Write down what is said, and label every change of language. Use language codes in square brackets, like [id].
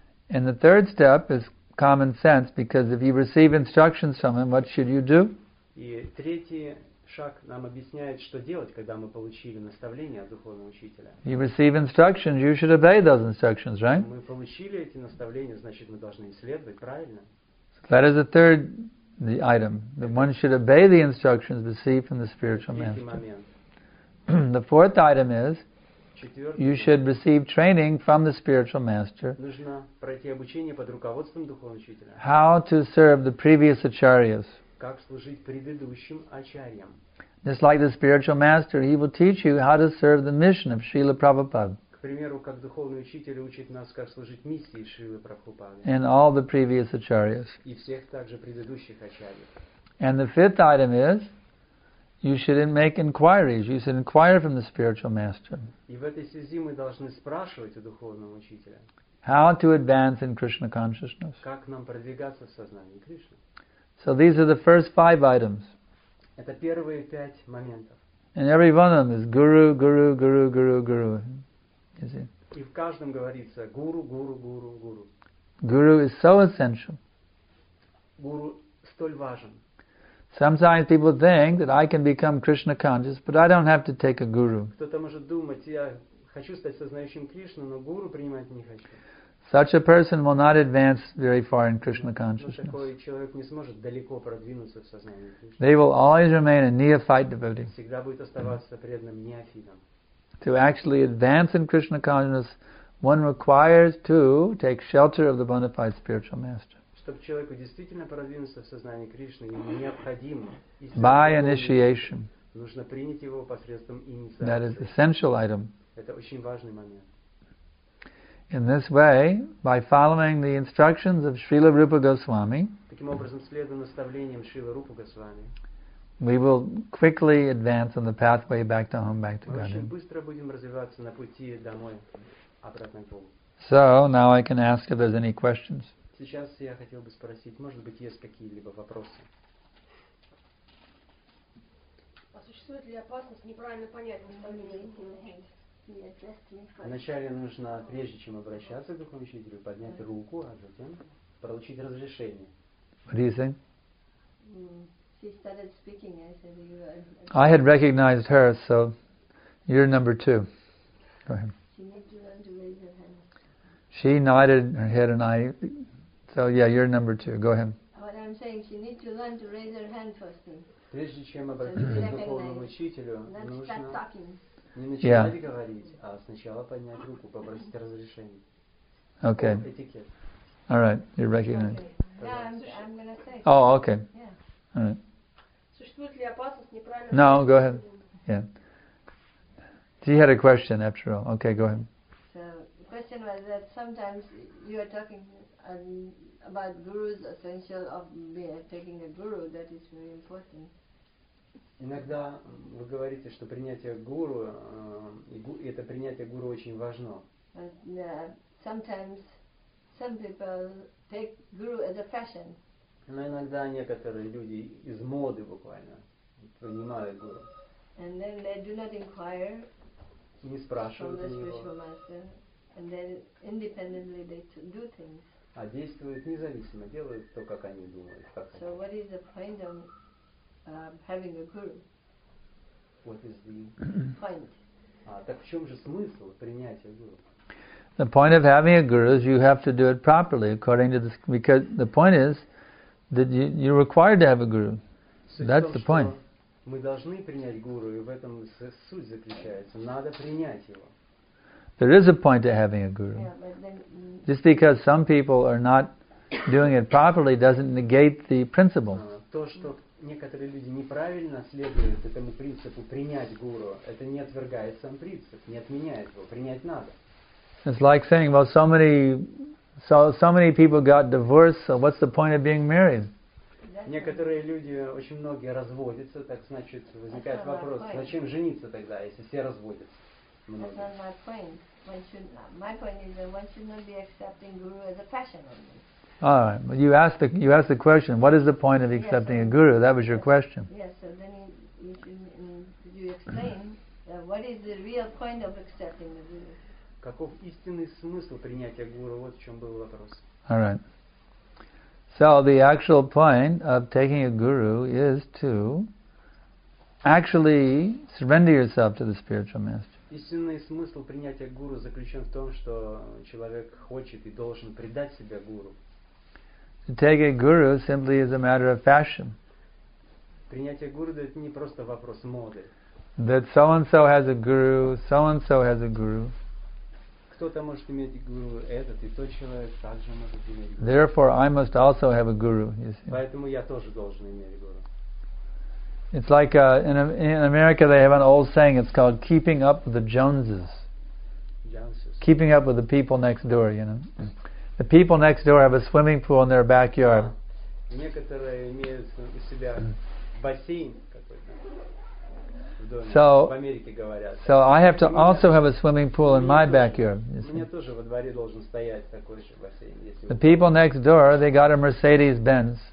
[en] And the third step is common sense, because if you receive instructions from him, what should you do? [ru] Шаг нам объясняет, что делать, когда мы получили наставление от духовного учителя. [en] You receive instructions, you should obey those instructions, right? [ru] Мы получили эти наставления, значит, мы должны следовать, правильно? [en] That is the third the item. That one should obey the instructions received from the spiritual master. The fourth item is you should receive training from the spiritual master. [ru] Нужно пройти обучение под руководством духовного учителя. [en] How to serve the previous acharyas. [ru] Как служить предыдущим ачарьям. [en] Just like the spiritual master, he will teach you how to serve the mission of Srila Prabhupada. [ru] К примеру, как духовный учитель учит нас, как служить миссии Шрилы Прабхупады. [en] And all the previous acharyas. [ru] И всех также предыдущих ачарьев. [en] And the fifth item is, you should make inquiries. You should inquire from the spiritual master. [ru] И в этой связи мы должны спрашивать у духовного учителя. [en] How to advance in Krishna consciousness. [ru] Как нам продвигаться в сознании Кришны. [en] So these are the first five items. [ru] Это первые пять моментов. [en] And every one of them is guru, guru, guru, guru, guru. You see? [ru] И в каждом говорится guru, guru, guru, guru. [en] Guru is so essential. [ru] Guru столь важен. [en] Sometimes people think that I can become Krishna conscious, but I don't have to take a guru. [ru] Кто-то может думать, я хочу стать сознающим Кришну, но гуру принимать не хочу. [en] Such a person will not advance very far in Krishna consciousness. [ru] Такой человек не сможет далеко продвинуться в сознании Кришны. [en] They will always remain a neophyte devotee. [ru] Всегда будет оставаться преданным неофитом. [en] To actually advance in Krishna consciousness, one requires to take shelter of the bona fide spiritual master. [ru] Чтобы человеку действительно продвинуться в сознании Кришны, ему необходимо [en] by initiation. [ru] Нужно принять его посредством инициации. [en] That is essential item. [ru] Это очень важный момент. [en] In this way, by following the instructions of Srila Rupa Goswami, [ru] таким образом, следуя наставлениям Шрилы Рупы Госвами, [en] we will quickly advance on the pathway back to home, back to Godhead. [ru] Очень быстро будем развиваться на пути домой, обратно к Богу. [en] So, now I can ask if there's any questions. [ru] Сейчас я хотел бы спросить, может быть, есть какие-либо вопросы? А существует ли опасность неправильно понять наставление Рупы Госвами? Вначале нужно, прежде чем обращаться к духовному учителю, поднять руку, а затем получить разрешение. [en] What do you think? She started speaking. I said you. I had recognized her, so you're number two. Go ahead. She needs to learn to raise her hand. She nodded her head, and I. So yeah, you're number two. Go ahead. What I'm saying, she needs to learn to raise her hand first. [ru] Прежде чем обратиться к духовному учителю, нужно. Не начинай говорить, а сначала поднять руку, попросить разрешение. [en] Okay. [ru] Этикет. [en] All right, you're recognized. Okay. Yeah, I'm gonna say. Oh, okay. Yeah. All right. [ru] Существует ли опасность неправильно? [en] No, go ahead. Yeah. She had a question after all. Okay, go ahead. So, the question was that sometimes you are talking about guru's essential of taking a guru, that is very important. [ru] Иногда вы говорите, что принятие гуру, и это принятие гуру очень важно. [en] Sometimes some people take guru as a fashion. [ru] Но иногда некоторые люди из моды буквально принимают гуру. [en] And then they do not inquire. [ru] Не спрашивают у него. [en] From the spiritual master, and then independently they do things. [ru] А действуют независимо, делают то, как они думают. [en] So what is the point of having a guru? What is the point? [ru] Так в чем же смысл принятия гуру? [en] The point of having a guru is you have to do it properly according to this, because the point is that you're required to have a guru. That's the point. [ru] Мы должны принять гуру, и в этом суть заключается. Надо принять его. [en] There is a point to having a guru. Yeah, but then, just because some people are not doing it properly doesn't negate the principle. [ru] Некоторые люди неправильно следуют этому принципу принять гуру. Это не отвергает сам принцип, не отменяет его. Принять надо. [en] It's like saying, well, so many people got divorced, so what's the point of being married? [ru] Некоторые люди, очень многие разводятся, так значит, возникает вопрос, зачем жениться тогда, если все разводятся? [en] That's not my point. My point is that one should not be accepting guru as a passion only. All right, but you asked the question. What is the point of accepting a guru? That was your question. Yes. So then, you explain what is the real point of accepting the guru? [ru] Каков истинный смысл принятия гуру? Вот в чем был вопрос. [en] All right. So the actual point of taking a guru is to actually surrender yourself to the spiritual master. [ru] Истинный смысл принятия гуру заключен в том, что человек хочет и должен предать себя гуру. [en] To take a guru simply is a matter of fashion. [ru] Принятие гуру — это не просто вопрос моды. [en] That so and so has a guru, so and so has a guru. [ru] Кто-то может иметь гуру, этот и тот человек также может иметь гуру. [en] Therefore, I must also have a guru. You see. [ru] Поэтому я тоже должен иметь гуру. [en] It's like in America they have an old saying. It's called keeping up with the Joneses. Joneses. Keeping up with the people next door, you know. The people next door have a swimming pool in their backyard. [ru] Некоторые имеют у себя бассейн какой-то в доме. [en] So, [ru] в Америке говорят. [en] So I have to also have a swimming pool in my backyard. [ru] Мне тоже во дворе должен стоять такой же бассейн. [en] The people next door, they got a Mercedes-Benz.